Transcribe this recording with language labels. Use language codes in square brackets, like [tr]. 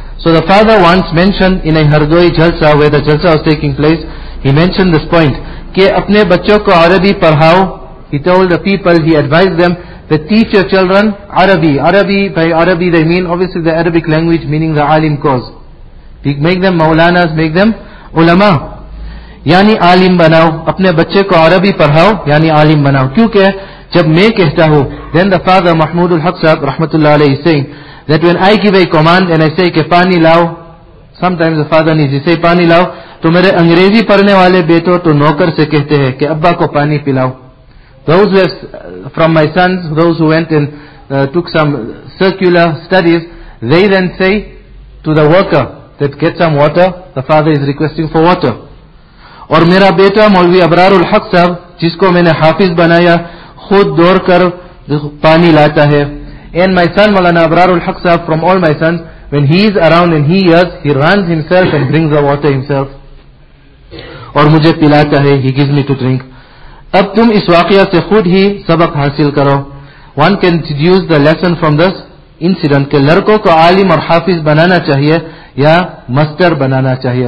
[en] So the father once mentioned in a Hardoi jalsa, where the jalsa was taking place, he mentioned this point, [ur] ke apne bachcho ko Arabi parhao. [en] He told the people, he advised them, that teach your children Arabi. Arabi, by Arabi they mean obviously the Arabic language, meaning the alim cause. Make them maulanas, make them ulama. [ur] یعنی عالم بناؤ, اپنے بچے کو عربی پڑھاؤ یعنی عالم بناؤ. کیونکہ جب میں کہتا ہوں, [en] then the father Mahmood ul Haq Sahib رحمت اللہ علیہ is saying that when I give a command and I say [ur] کہ پانی لاؤ, [en] sometimes the father needs to say [ur] پانی لاؤ, تو میرے انگریزی پڑھنے والے بیٹوں تو نوکر سے کہتے ہیں کہ ابا کو پانی pulao. [en] Those were from my sons, those who went and took some circular studies, they then say to the worker that get some water, the father is requesting for water. [ur] اور میرا بیٹا مولوی ابرار الحق صاحب جس کو میں نے حافظ بنایا خود دور کر پانی لاتا ہے. [en] And my son Maulana Abrar ul Haq Sahib, from all my sons, when he is around and he hears, he runs himself and brings the water himself. [ur] اور مجھے پلاتا ہے, [en] he gives me to drink. [ur] اب تم اس واقعہ سے خود ہی سبق حاصل کرو. [en] One can deduce the lesson from this incident [ur] کہ لڑکوں کو عالم اور حافظ بنانا چاہیے یا مستر بنانا چاہیے.